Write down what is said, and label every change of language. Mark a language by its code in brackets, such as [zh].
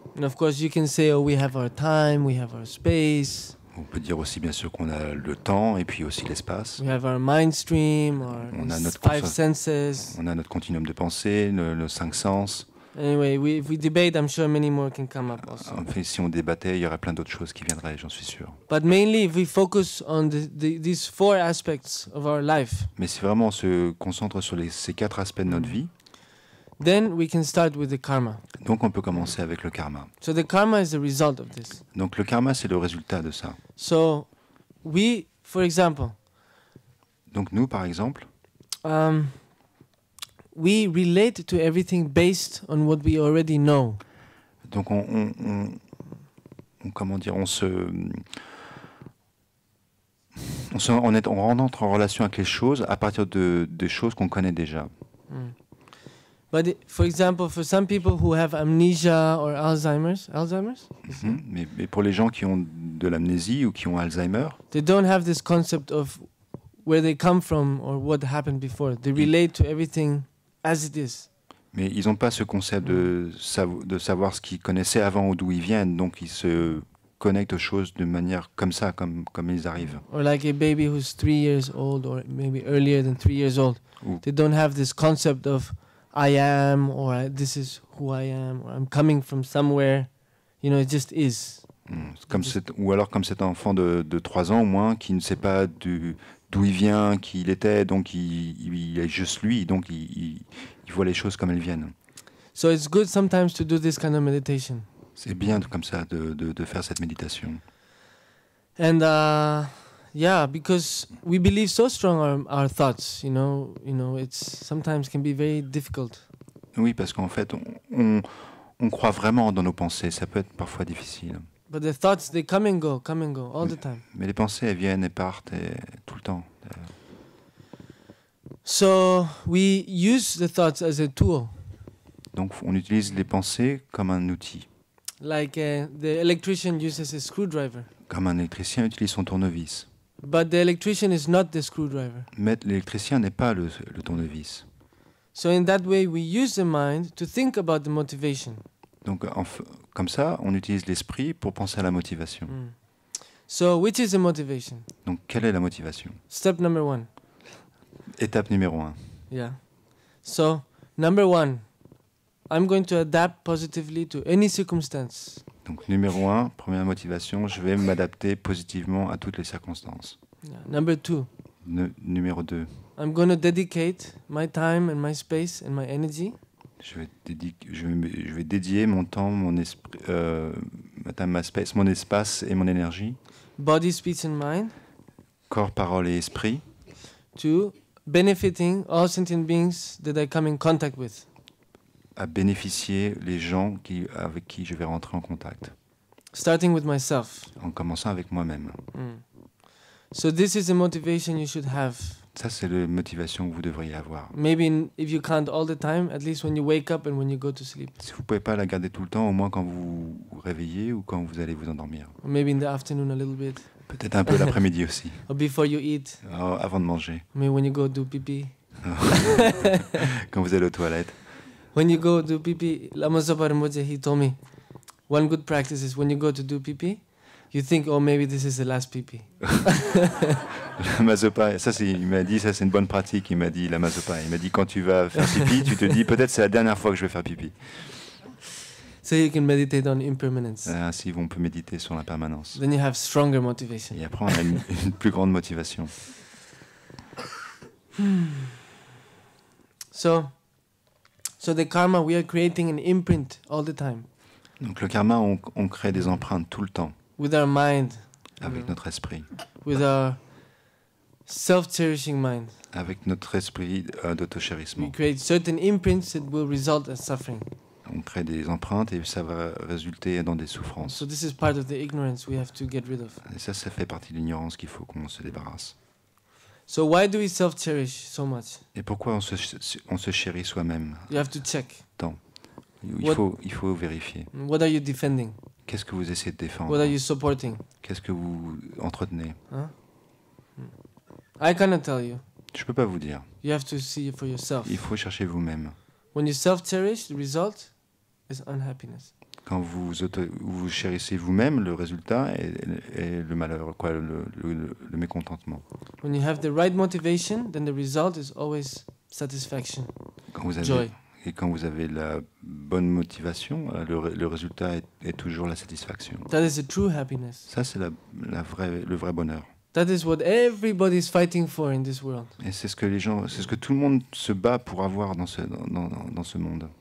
[en] And of course you can say, oh, we have our time, we have our space. [fr] On peut dire aussi bien sûr qu'on a le temps et puis aussi l'espace. [en] We have our mind stream, our five senses. [fr] On a notre continuum de pensée, nos cinq sens. [en] Anyway, if we debate, I'm sure many more can come up also. [fr] En fait, si on débattait, il y aurait plein d'autres choses qui viendraient, j'en suis sûr. [en] But mainly, if we focus on these four aspects of our life. [fr] Mais si vraiment on se concentre sur ces quatre aspects de notre vie. [en] Then we can start with the karma. [fr] Donc on peut commencer avec le karma. [en] So the karma is the result of this. [fr] Donc le karma, c'est le résultat de ça. [en] So, we, for example. [fr] Donc nous, par exemple. [en] We relate to everything based on what we already know. [fr] Donc on rentre en relation avec les choses à partir de choses qu'on connaît déjà. [en] But for example, for some people who have amnesia or Alzheimer's. [fr] Mais pour les gens qui ont de l'amnésie ou qui ont Alzheimer. [en] They don't have this concept of where they come from or what happened before. They relate to everything. As it is. [fr] Mais ils n'ont pas ce concept de savoir ce qu'ils connaissaient avant ou d'où ils viennent, donc ils se connectent aux choses de manière comme ça, comme ils arrivent. [en] Or like a baby who's 3 years old, or maybe earlier than 3 years old. Ouh. They don't have this concept of I am, or this is who I am, or I'm coming from somewhere. You know, it just is. [fr] Comme cet enfant de 3 ans au moins qui ne sait pas du d'où il vient, qui il était, donc il est juste lui, donc il voit les choses comme elles viennent. [en] So it's good sometimes to do this kind of meditation. [fr] C'est bien comme ça de faire cette méditation. [en] And yeah, because we believe so strong our thoughts, you know, it's sometimes can be very difficult. [fr] Oui, parce qu'en fait, on croit vraiment dans nos pensées. Ça peut être parfois difficile. [en] But the thoughts, they come and go, all the time. [fr] Mais les pensées, elles viennent et partent et tout le temps. [en] So we use the thoughts as a tool. [fr] Donc on utilise les pensées comme un outil. [en] Like the electrician uses a screwdriver. [fr] Comme un électricien utilise son tournevis. [en] But the electrician is not the screwdriver. [fr] Mais l'électricien n'est pas le tournevis. [en] So in that way we use the mind to think about the motivation. [fr] Donc comme ça on utilise l'esprit pour penser à la motivation. Mm. [en] So which is the motivation? [fr] Donc quelle est la motivation? [en] Step number one. [fr] Étape numéro un. [en] Yeah. So number one, I'm going to adapt positively to any circumstance. [fr] Donc numéro un, première motivation, je vais m'adapter positivement à toutes les circonstances. [en] Yeah. Number two. [fr] Numéro deux. [en] I'm going to dedicate my time and my space and my energy. [fr] Je vais dédier mon temps, mon esprit, ma [en] time, my space, [fr] mon espace et mon énergie. [en] Body, speech and mind. [fr] Corps, parole et esprit. [en] To benefiting all sentient beings that I come in contact with. [fr] À bénéficier les gens qui avec qui je vais rentrer en contact. [en] Starting with myself. [fr] En commençant avec moi-même. Mm. [en] So this is the motivation you should have. [fr] Ça, c'est la motivation que vous devriez avoir. [en] Maybe if you can't all the time, at least when you wake up and when you go to sleep. [fr] Si vous pouvez pas la garder tout le temps, au moins quand vous vous réveillez ou quand vous allez vous endormir. [en] Or maybe in the afternoon a little bit. [fr] Peut-être un peu l'après-midi aussi. [en] Or before you eat. [fr] Oh, avant de manger. [en] Maybe when you go do pipi. [fr] Quand vous allez aux toilettes. [en] When you go do pipi, Lama Zopa Rinpoche, he told me, one good practice is when you go to do pipi, you think, oh, maybe this is the last pipi. [fr] Lama Zopa, ça c'est, il m'a dit, ça c'est une bonne pratique, il m'a dit, Lama Zopa. Il m'a dit, quand tu vas faire pipi, tu te dis, peut-être c'est la dernière fois que je vais faire pipi. [en] So you can meditate on impermanence. [fr] Ainsi, on peut méditer sur l'impermanence. [en] Then you have stronger motivation. [fr] Et après, on a une plus grande motivation. [en] So the karma, we are creating an imprint all the time. [fr] Donc le karma, on crée des empreintes tout le temps. [en] With our mind. [fr] Avec notre esprit. [en] With our self-cherishing mind. [fr] Avec notre esprit d'autocherissement. [en] We create certain imprints that will result in suffering. [fr] On crée des empreintes et ça va résulter dans des souffrances. [en] So this is part of the ignorance we have to get rid of. [fr] Et ça fait partie de l'ignorance qu'il faut qu'on se débarrasse. [en] So why do we self-cherish so much? [fr] Et pourquoi on se chérit soi-même? [en] You have to check. [fr] Tant. Il faut vérifier. [en] What are you defending? [fr] Qu'est-ce que vous essayez de défendre? [en] What are you supporting? [fr] Qu'est-ce que vous entretenez? [en] Huh? I cannot tell you. [fr] Je peux pas vous dire. [en] You have to see for yourself. [fr] Il faut chercher vous-même. [en] When you self-cherish, the result is unhappiness. [fr] Quand vous chérissez vous-même, le résultat est le malheur, quoi, le mécontentement. [en] When you have the right motivation, then the result is always satisfaction, joy. [fr] Et quand vous avez la bonne motivation, le résultat est toujours la satisfaction. [en] That is the true happiness. [fr] Ça c'est le vrai bonheur. [en] That is what everybody is fighting for in this world. [fr] Et c'est ce que tout le monde se bat pour avoir dans ce monde.